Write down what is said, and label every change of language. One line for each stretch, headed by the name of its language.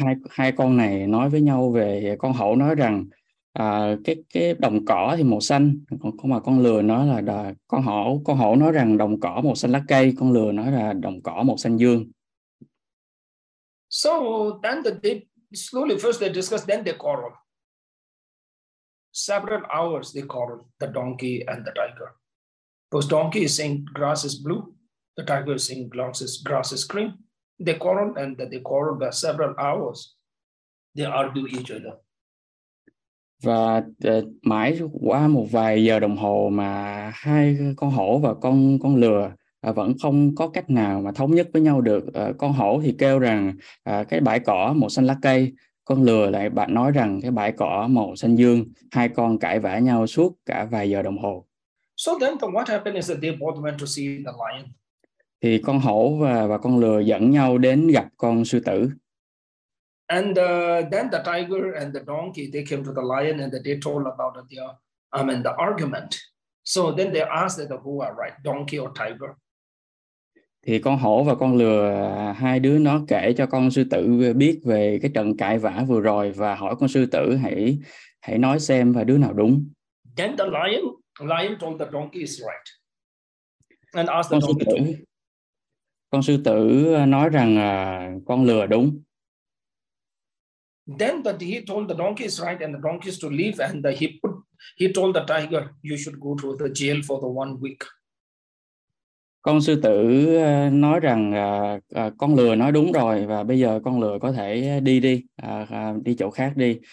Vietnamese: Hai con này nói với nhau về con hổ nói rằng cái đồng cỏ thì màu xanh, mà con lừa nói là con hổ nói rằng đồng cỏ màu xanh lá cây, con lừa nói là đồng cỏ màu xanh dương.
English: So then slowly, first they discuss, then they quarrel. Several hours they quarrel, the donkey and the tiger. Because donkey is saying grass is blue, the tiger is saying grass is green. They quarrel and they quarrel for several hours. They argue each other.
Vietnamese: Và mãi qua một vài giờ đồng hồ mà hai con hổ và con lừa vẫn không có cách nào mà thống nhất với nhau được. Con hổ thì kêu rằng cái bãi cỏ màu xanh lá cây, con lừa lại bạn nói rằng cái bãi cỏ màu xanh dương. Hai con cãi vã nhau suốt cả vài giờ đồng hồ.
English: So then what happened is that they both went to see the lion.
Vietnamese: Thì con hổ và con lừa dẫn nhau đến gặp con sư tử.
English: And then the tiger and the donkey, they came to the lion and they told about the argument. So then they asked who are right, donkey or tiger.
Vietnamese: Thì con hổ và con lừa, hai đứa nó kể cho con sư tử biết về cái trận cãi vã vừa rồi và hỏi con sư tử hãy hãy nói xem và đứa nào đúng.
English: Then the lion told the donkey is right and asked the
Vietnamese: Con sư
English: donkey to.
Vietnamese: tử. Con sư tử nói rằng con lừa đúng.
English: Then that he told the donkey is right and the donkey is to leave and the he put he told the tiger you should go to the jail for the 1 week.
Vietnamese: Con sư tử nói rằng con lừa nói đúng rồi và bây giờ con lừa có thể đi đi đi chỗ khác đi.